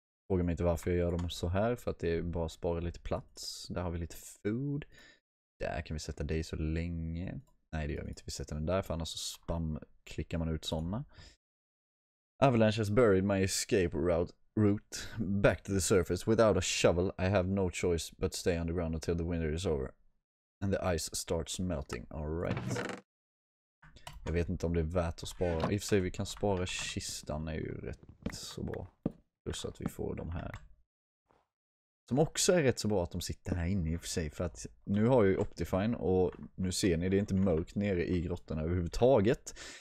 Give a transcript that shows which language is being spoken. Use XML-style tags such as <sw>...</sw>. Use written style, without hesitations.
<sv>Fråga mig inte varför jag gör dem så här. För att det är bara att spara lite plats. Där har vi lite food. Där kan vi sätta dig så länge. Nej, det gör vi inte. Vi sätter den där. För annars så spam klickar man ut sådana.</sv> <en>Avalanche has buried my escape route. Root back to the surface without a shovel. I have no choice but stay underground until the winter is over and the ice starts melting. All right.</en> <sv>Jag vet inte om det är värt att spara. I och för sig vi kan spara kistan är ju rätt så bra. Plus att vi får de här. Som också är rätt så bra att de sitter här inne i och för sig. För att nu har ju Optifine och nu ser ni det är inte mörkt nere i grottorna överhuvudtaget.</sv>